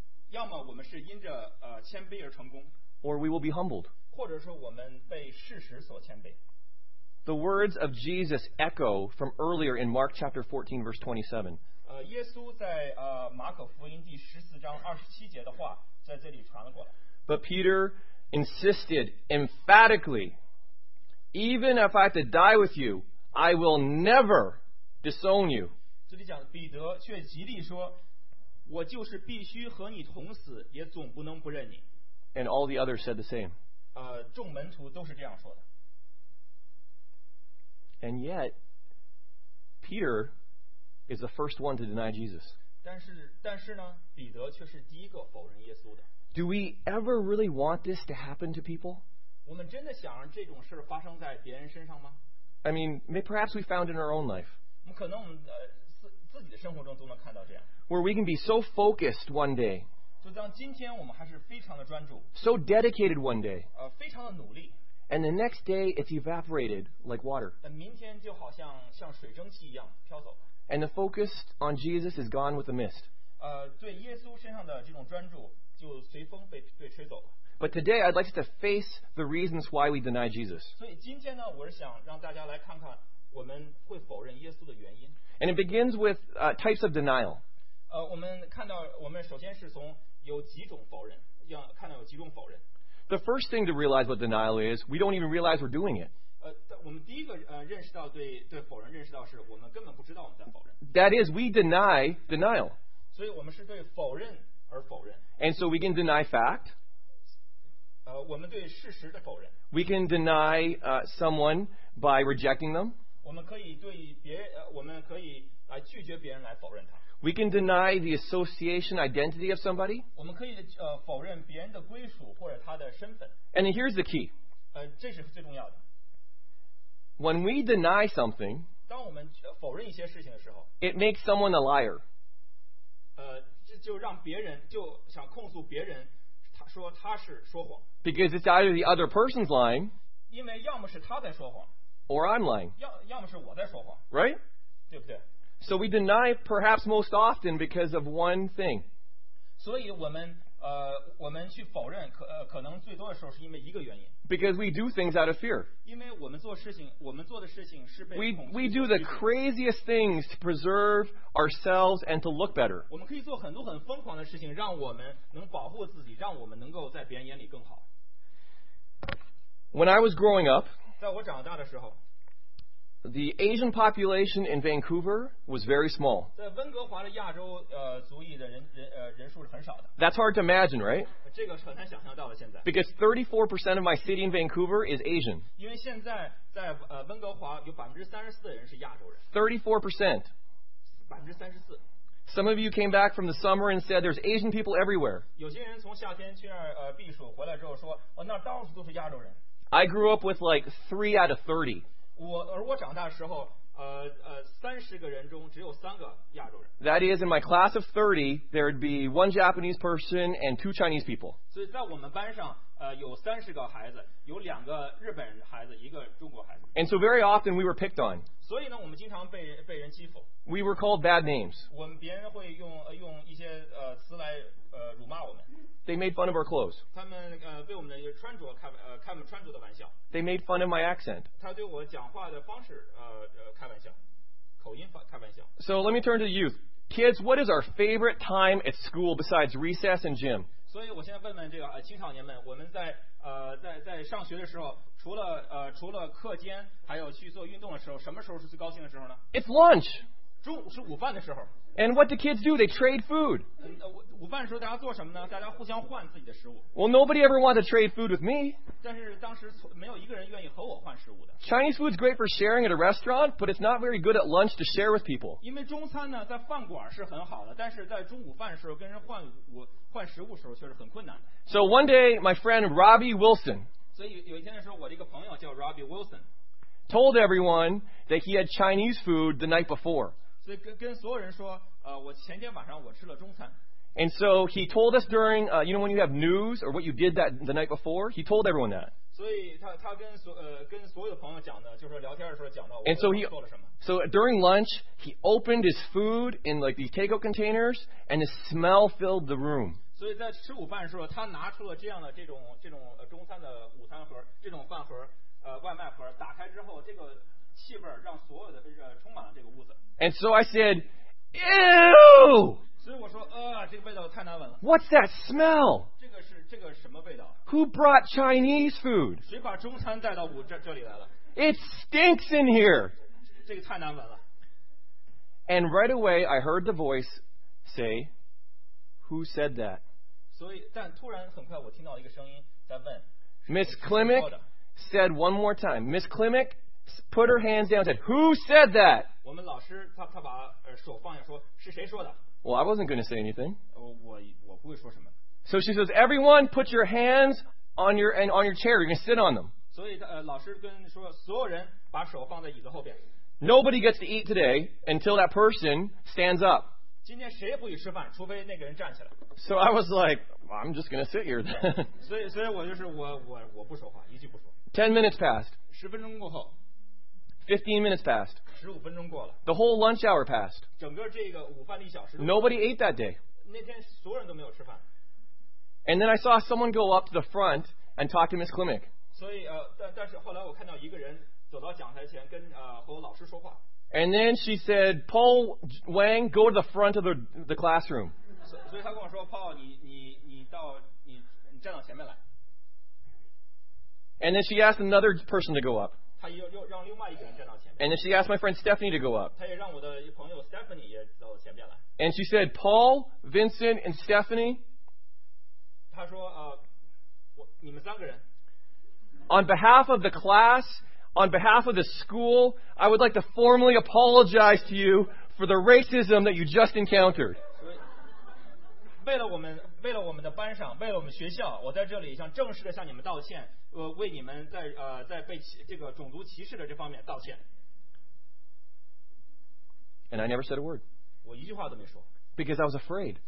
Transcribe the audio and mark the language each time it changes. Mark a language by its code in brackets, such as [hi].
[zh] 要么我们是因着谦卑而成功。 [en] Or we will be humbled. [zh] 或者说我们被事实所谦卑。 [en] The words of Jesus echo from earlier in Mark chapter 14, verse 27. [zh] 耶稣在马可福音第十四章二十七节的话在这里传了过来。 [en] But Peter insisted emphatically, even if I have to die with you, I will never disown you. [zh] 这里讲彼得却极力说，我就是必须和你同死，也总不能不认你。 [en] And all the others said the same. [zh] 众门徒都是这样说的。 [en] And yet, Peter is the first one to deny Jesus. [zh] 但是呢，彼得却是第一个否认耶稣的。 [en] Do we ever really want this to happen to people? [zh] 我们真的想让这种事发生在别人身上吗？ [en] I mean, perhaps we found in our own life. [zh] 可能我们自己的生活中都能看到这样。 [en] Where we can be so focused one day. [zh] 就当今天我们还是非常的专注。 [en] So dedicated one day. [zh] 非常的努力。 [en] And the next day, it's evaporated like water. [zh] 明天就好像水蒸气一样飘走了。 [en] And the focus on Jesus is gone with the mist. [zh] 对耶稣身上的这种专注就随风被吹走了。 [en] But today, I'd like to face the reasons why we deny Jesus. [zh] 所以今天呢，我是想让大家来看看我们会否认耶稣的原因。 [en] And it begins with types of denial. [zh] 我们看到，我们首先是从有几种否认，要看到有几种否认。 [en] The first thing to realize what denial is, we don't even realize we're doing it. [zh] 我们第一个认识到对否认认识到是我们根本不知道我们在否认。 [en] That is, we deny denial. [zh] 所以我们是对否认而否认。 [en] And so we can deny fact. [zh] 我们对事实的否认。 [en] We can deny someone by rejecting them. [zh] 我们可以对别我们可以来拒绝别人来否认他。 [en] We can deny the association identity of somebody. [zh] 我们可以否认别人的归属或者他的身份。 [en] And here's the key. [zh] 这是最重要的。 [en] When we deny something, [zh] 当我们否认一些事情的时候， [en] it makes someone a liar. [zh] 就让别人就想控诉别人，他说他是说谎。 [en] Because it's either the other person's lying. [zh] 因为要么是他在说谎。 [en] Or I'm lying. [zh] 要么是我在说谎。 [en] Right? [zh] 对不对？ [en] So we deny perhaps most often because of one thing. [zh] 所以我们去否认可能最多的时候是因为一个原因。 [en] Because we do things out of fear. [zh] 因为我们做的事情是被 [en] We do the craziest things to preserve ourselves and to look better. [zh] 我们可以做很多很疯狂的事情，让我们能保护自己，让我们能够在别人眼里更好。 [en] When I was growing up, [zh] 在我长大的时候。 [en] The Asian population in Vancouver was very small. [zh] 在温哥华的亚洲族裔的人数是很少的。 [en] That's hard to imagine, right? [zh] 这个很难想象到了现在。 [en] Because 34% of my city in Vancouver is Asian. [zh] 因为现在在温哥华有34%的人是亚洲人。 [en] 34%. [zh] 34%. [en] Some of you came back from the summer and said there's Asian people everywhere. [zh] 有些人从夏天去那儿避暑回来之后说，哦，那到处都是亚洲人。 [en] I grew up with like 3 out of 30. [zh] 而我长大的时候，30个人中只有3个亚洲人。 [en] That is, in my class of 30, there would be 1 Japanese person and 2 Chinese people. [zh] 所以在我们班上，有30个孩子，有2个日本孩子，1个中国孩子。 [en] And so very often we were picked on. [zh] 所以呢，我们经常被人欺负。 [en] We were called bad names. [zh] 我们别人会用一些词来辱骂我们。 [en] They made fun of our clothes. [zh] 他们对我们的穿着开我们穿着的玩笑。 [en] They made fun of my accent. [zh] 他对我讲话的方式开玩笑，口音开玩笑。 [en] So let me turn to the youth. Kids, what is our favorite time at school besides recess and gym? [zh] 所以我现在问问这个青少年们，我们在上学的时候，除了课间，还有去做运动的时候，什么时候是最高兴的时候呢？ [en] It's lunch. [zh] 中午是午饭的时候。 [en] And what do kids do? They trade food. [zh] 午饭的时候大家做什么呢？大家互相换自己的食物。 [en] Well, nobody ever wanted to trade food with me. [zh] 但是当时没有一个人愿意和我换食物的。 [en] Chinese food is great for sharing at a restaurant, but it's not very good at lunch to share with people. [zh] 因为中餐呢，在饭馆是很好的，但是在中午饭的时候跟人换食物的时候却是很困难的。 [en] So one day, my friend Robbie Wilson. [zh] 所以有一天的时候，我的一个朋友叫Robbie Wilson， [en] told everyone that he had Chinese food the night before. [zh] 所以跟所有人说，我前天晚上我吃了中餐。 [en] And so he told us during, you know, when you have news or what you did that the night before, he told everyone that. [zh] 所以他跟所有的朋友讲的，就是聊天的时候讲到我做了什么。 [en] And so during lunch, he opened his food in like these takeout containers, and the smell filled the room. [zh] 所以在吃午饭的时候，他拿出了这样的这种中餐的午餐盒，这种饭盒，打开之后，这个气味让所有的充满了这个屋子。 [en] And so I said, "Ew!" [zh] 所以我说，这个味道太难闻了。 [en] What's that smell? [zh] 这个什么味道？ [en] Who brought Chinese food? [zh] 谁把中餐带到这里来了？ [en] It stinks in here. [zh] 这个太难闻了。 [en] And right away, I heard the voice say, "Who said that?" [zh] 所以，但突然很快，我听到一个声音在问。 [en] Miss Klimek said one more time. Miss Klimek put her hands down and said, "Who said that?" [zh] 我们老师他把手放下说，是谁说的？ [en] Well, I wasn't going to say anything. [zh] 我不会说什么。 [en] So she says, "Everyone, put your hands on your and on your chair. You're going to sit on them." [zh] 所以老师跟说，所有人把手放在椅子后边。 [en] Nobody gets to eat today until that person stands up. [zh] 今天谁也不许吃饭，除非那个人站起来。 [en] So I was like, well, "I'm just going to sit here." [zh] 所以我就是我不说话，一句不说。 [en] 10 minutes passed. [zh] 10分钟过后。 [en] 15 minutes passed. [zh] 15分钟过了。 [en] The whole lunch hour passed. [zh] 整个这个午饭的一小时。 [en] Nobody ate that day. [zh] 那天所有人都没有吃饭。 [en] And then I saw someone go up to the front and talk to Miss Klimek. [zh] 所以但是后来我看到一个人走到讲台前跟和我老师说话。 [en] And then she said, "Paul Wang, go to the front of the classroom." [zh] 所以他跟我说 ，Paul， 你站到前面来。 [en] And then she asked another person to go up. [zh] 他又让另外一个人站到前面。 [en] And then she asked my friend Stephanie to go up. [zh] 他也让我的朋友 Stephanie 也到前面来。 [en] And she said, "Paul, Vincent, and Stephanie." [zh] 他说，你们三个人。 [en] On behalf of the class, on behalf of the school, I would like to formally apologize to you for the racism that you just encountered. [zh] 为了我们的班上，为了我们学校，我在这里想正式的向你们道歉，为你们在被这个种族歧视的这方面道歉。 [en] And I never said a word. [zh] 我一句话都没说。 [en] Because I was afraid.